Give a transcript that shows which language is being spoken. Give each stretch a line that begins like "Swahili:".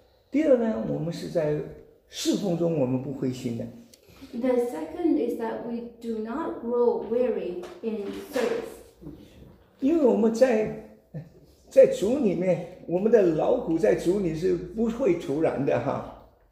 Chinese: 第二呢，我们是在侍奉中我们不灰心的。
English: The second is that we do not grow weary in service.
Chinese: 因为我们在。在主里面，我们的劳苦在主里是不会徒然的哈。